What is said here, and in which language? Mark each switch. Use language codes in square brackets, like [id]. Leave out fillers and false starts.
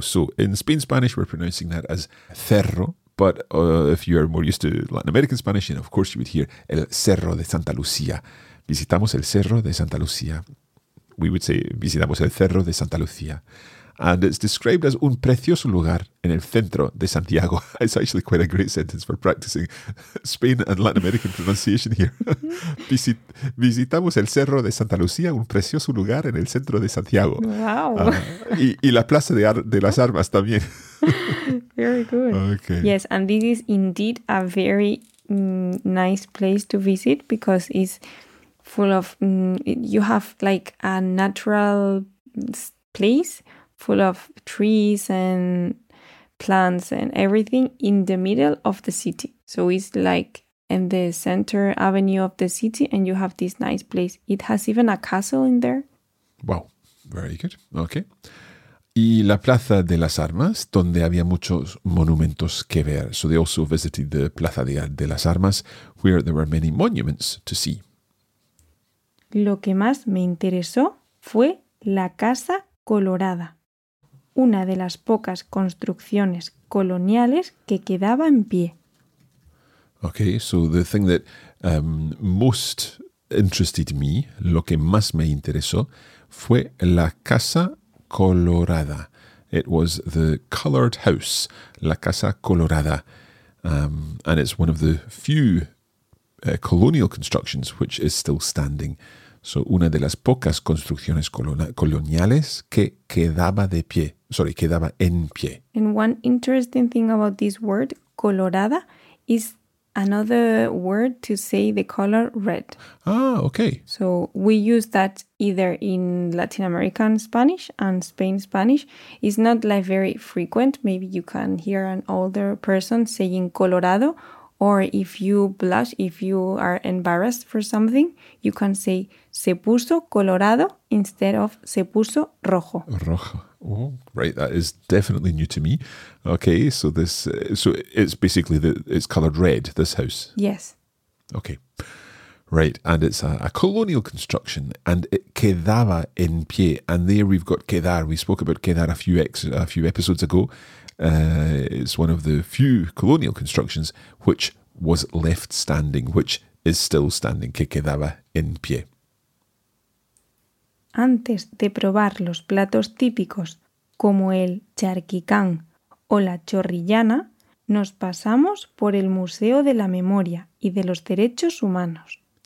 [en] So in Spain Spanish, we're pronouncing that as Cerro, but if you are more used to Latin American Spanish, then of course you would hear el Cerro de Santa Lucía. [es] Visitamos el Cerro de Santa Lucía. We would say, visitamos el Cerro de Santa Lucía. [en] And it's described as un precioso lugar en el centro de Santiago. It's actually quite a great sentence for practicing Spain and Latin American pronunciation here. [es] Visitamos el Cerro de Santa Lucía, un precioso lugar en el centro de Santiago. [en] Wow. [es] Y la Plaza de las Armas también. [en] Very good. Okay. Yes, and this is indeed a very nice place to visit because it's full of, you have like a natural place full of trees and plants and everything in the middle of the city. So it's like in the center avenue of the city and you have this nice place. It has even a castle in there. Wow, very good. Okay. [es] Y la Plaza de las Armas, donde había muchos monumentos que ver. [en] So they also visited the Plaza de las Armas, where there were many monuments to see. [es] Lo que más me interesó fue la Casa Colorada, una de las pocas construcciones coloniales que quedaba en pie. [en] Okay, so the thing that most interested me, lo que más me interesó, fue la Casa Colorada. It was the colored house, la Casa Colorada. And it's one of the few colonial constructions which is still standing. [es] So, una de las pocas construcciones coloniales que quedaba de pie. Sorry, quedaba en pie. [en] And one interesting thing about this word, colorada, is another word to say the color red. Ah, okay. So, we use that either in Latin American Spanish and Spain Spanish. It's not like very frequent. Maybe you can hear an older person saying colorado Or if you blush, if you are embarrassed for something, you can say se puso colorado instead of se puso rojo. Rojo. Oh, right. That is definitely new to me. Okay. So this, so it's basically, the it's colored red, this house. Yes. Okay. Right. And it's a colonial construction and it quedaba en pie. And there we've got quedar. We spoke about quedar a few episodes ago. It's one of the few colonial constructions which was left standing, which is still standing, que quedaba en pie. [es] Antes de probar los platos típicos como el charquicán o la chorrillana, nos pasamos por el Museo de la Memoria y de los Derechos Humanos.